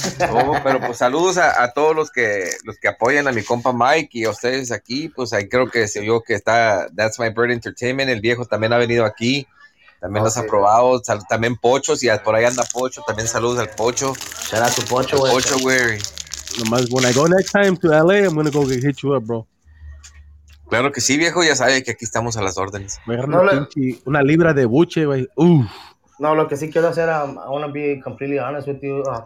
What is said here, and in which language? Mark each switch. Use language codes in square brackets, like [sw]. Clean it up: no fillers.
[es] No, pero pues saludos a todos los que apoyan a mi compa Mike y a ustedes aquí, pues ahí creo que se vio que está That's My Bird Entertainment, el viejo también ha venido aquí, también los ha probado, también Pocho, si por ahí anda Pocho, también saludos al Pocho. [en] Shout out to Pocho, güey. [es] Pocho, güey. [en] Nomás, when I go next time to LA, I'm gonna go hit you up, bro. [es] Claro que sí, viejo, ya sabe que aquí estamos a las órdenes. Una libra de buche, güey. No, lo que sí quiero hacer, [en] I want to be completely honest with you.